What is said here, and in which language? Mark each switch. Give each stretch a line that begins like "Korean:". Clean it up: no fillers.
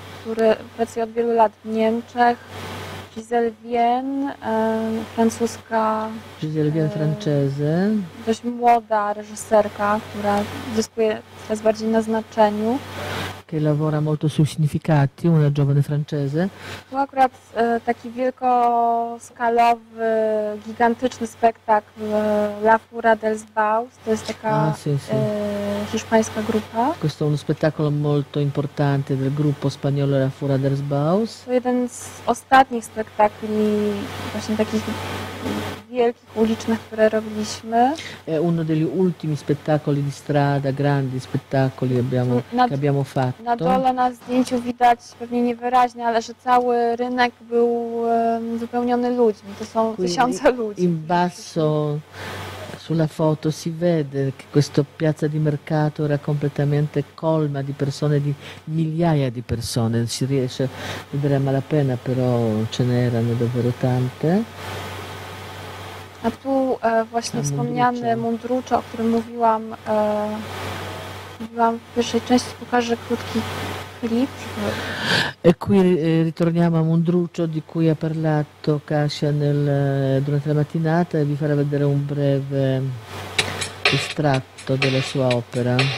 Polish: który pracuje od wielu lat w Niemczech. Giselle Vien, francuska.
Italian: Giselle Vien francese.
Polish: Dość młoda reżyserka, która zyskuje coraz bardziej na znaczeniu.
Italian: Che lavora molto sui significati, una giovane francese.
Polish: Tu akurat taki wielkoskalowy, gigantyczny spektakl La Fura del Sbaus, to jest taka hiszpańska grupa.
Italian: Questo è uno spettacolo molto importante del gruppo spagnolo La Fura del Sbaus.
Polish: To jeden z ostatnich spektakli właśnie takich wielkich ulicznych, które robiliśmy.
Italian: È uno degli ultimi spettacoli di strada, grandi spettacoli che abbiamo fatto.
Polish: Na dole na zdjęciu widać pewnie niewyraźnie, ale że cały rynek był wypełniony ludźmi. To są tysiące ludzi.
Italian: In basso sulla foto si vede che questa piazza di mercato era completamente colma di persone, di migliaia di persone, si riesce a vedere a malapena, però ce n'erano davvero tante.
Polish: A tu właśnie wspomniany Mundrucze, o którym mówiłam, mówiłam w pierwszej części, pokażę krótki klip.
Italian: E qui ritorniamo a Mundrucho, di cui ha parlato Kasia durante la mattinata, e vi farà vedere un breve estratto della sua opera.